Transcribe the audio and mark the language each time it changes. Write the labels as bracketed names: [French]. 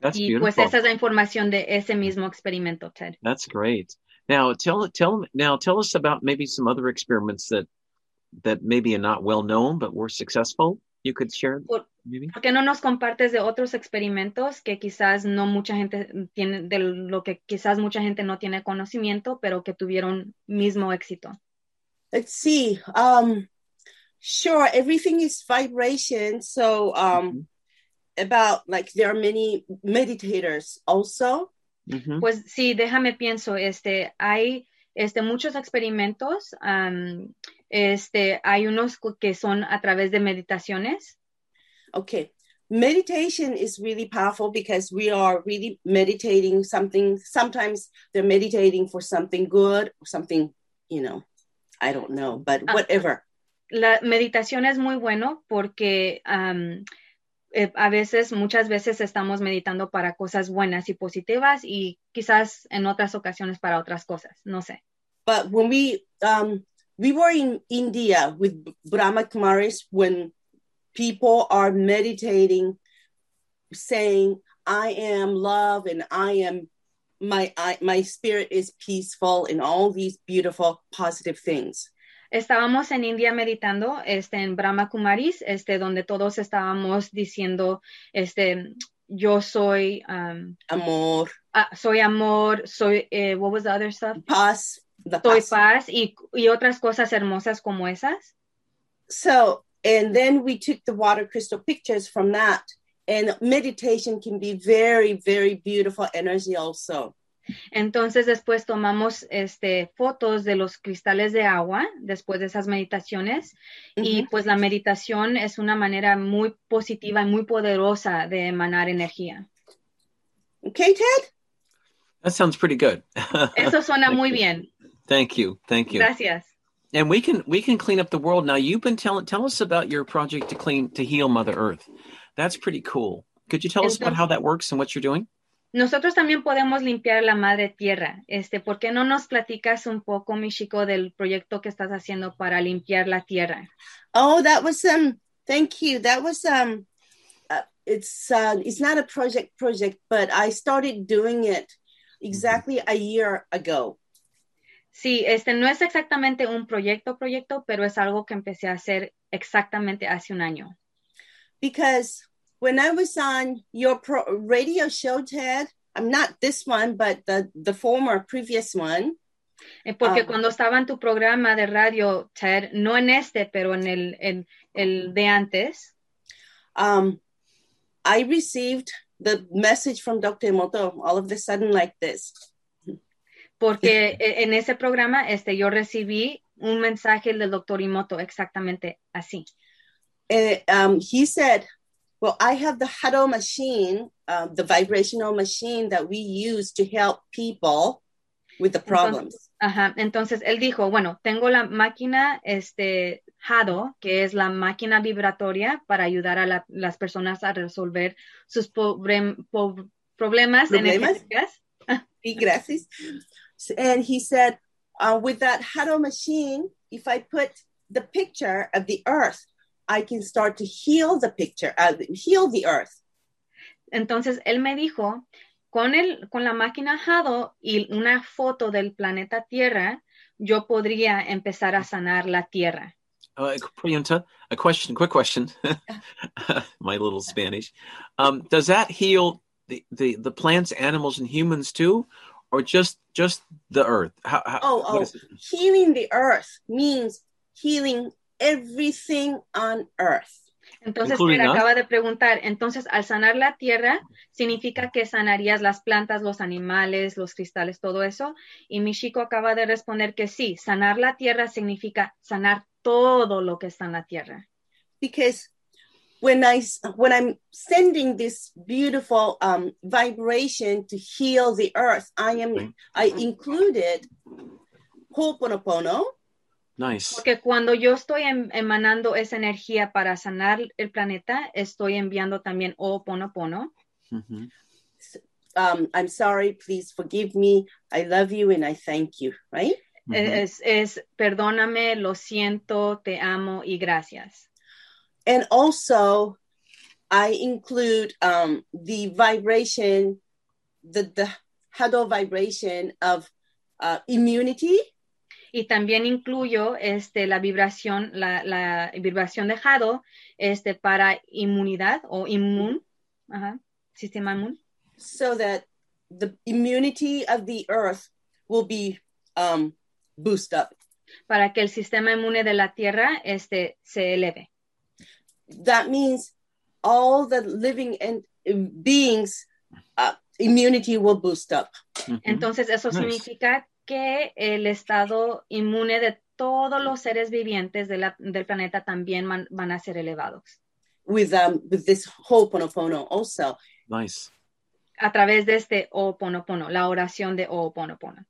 [English] That's beautiful. [Spanish] Y pues esa es la información de ese mismo experimento, Ted. [English] That's great. Now tell us about maybe some other experiments that maybe are not well known but were successful. You could share. ¿Por qué no nos compartes de otros experimentos que quizás no mucha gente tiene, de lo que quizás mucha gente no tiene conocimiento, pero que tuvieron mismo éxito? Let's see. Sure, everything is vibration. So about like there are many meditators also. Mm-hmm. [Spanish] Pues sí, déjame pienso. Hay muchos experimentos. Hay unos que son a través de meditaciones. [English] Okay, meditation is really powerful because we are really meditating something. Sometimes they're meditating for something good or something, you know, I don't know, but whatever. [Spanish] La meditación es muy bueno porque a veces, muchas veces estamos meditando para cosas buenas y positivas y quizás en otras ocasiones para otras cosas, no sé. [English] But when we were in India with Brahma Kumaris when people are meditating, saying, I am love and my spirit is peaceful and all these beautiful, positive things. [Spanish] Estábamos en India meditando, en Brahma Kumaris, donde todos estábamos diciendo, yo soy... amor. Soy amor, soy... [English] what was the other stuff? [Spanish] Paz. Soy paz y otras cosas hermosas como esas. [English] So... And then we took the water crystal pictures from that. And meditation can be very, very beautiful energy also. [Spanish] Entonces después tomamos fotos de los cristales de agua después de esas meditaciones. Mm-hmm. Y pues la meditación es una manera muy positiva y muy poderosa de emanar energía. [English] Okay, Ted? That sounds pretty good. [Spanish] Eso suena muy bien. [English] Thank you. Thank you. [Spanish] Gracias. [English] And we can clean up the world. Now you've been tell us about your project to heal Mother Earth. That's pretty cool. Could you tell us about how that works and what you're doing? [Spanish] Nosotros también podemos limpiar la madre tierra. ¿Por qué no nos platicas un poco, mi chico, del proyecto que estás haciendo para limpiar la tierra? [English] Oh, that was thank you. That was it's not a project, but I started doing it exactly a year ago. [Spanish] Sí, no es exactamente un proyecto, pero es algo que empecé a hacer exactamente hace un año. [English] Because when I was on your radio show, Ted, I'm not this one, but the former, previous one. [Spanish] Porque cuando estaba en tu programa de radio, Ted, no en pero en el de antes. [English] I received the message from Dr. Emoto all of a sudden like this. [Spanish] Porque en ese programa yo recibí un mensaje del Dr. Emoto exactamente así. [English] He said, well, I have the Hado machine, the vibrational machine that we use to help people with the problems. [Spanish] Entonces él dijo, bueno, tengo la máquina Hado, que es la máquina vibratoria para ayudar a las personas a resolver sus problemas energéticos. Y gracias. [English] And he said, with that Hado machine, if I put the picture of the earth, I can start to heal the picture, heal the earth. [Spanish] Entonces, él me dijo, con la máquina Hado y una foto del planeta Tierra, yo podría empezar a sanar la tierra. [English] Priyanta, a question, quick question. My little Spanish. Does that heal the plants, animals, and humans too? Or just the earth? Healing the earth means healing everything on earth. [Spanish] Entonces, [English] including [Spanish] mira, [English] us? [Spanish] Acaba de preguntar, entonces, al sanar la tierra, significa que sanarías las plantas, los animales, los cristales, todo eso. Y mi chico acaba de responder que sí, sanar la tierra significa sanar todo lo que está en la tierra. [English] Because when I'm sending this beautiful vibration to heal the earth, I included Ho'oponopono. Nice. [Spanish] Porque cuando yo estoy emanando esa energía para sanar el planeta, estoy enviando también Ho'oponopono. Mm-hmm. [English] I'm sorry, please forgive me. I love you and I thank you, right? Mm-hmm. [Spanish] Es perdóname, lo siento, te amo y gracias. [English] And also, I include the vibration, the huddle vibration of immunity. [Spanish] Y también incluyo la vibración de Hado para inmunidad o inmune, sistema inmune. [English] So that the immunity of the earth will be boosted up. [Spanish] Para que el sistema inmune de la tierra se eleve. [English] That means all the living and beings, immunity will boost up. Mm-hmm. [Spanish] Entonces eso significa que el estado inmune de todos los seres vivientes del planeta también van a ser elevados. [English] With this Ho'oponopono also. Nice. [Spanish] A través de este Ho'oponopono, la oración de Ho'oponopono.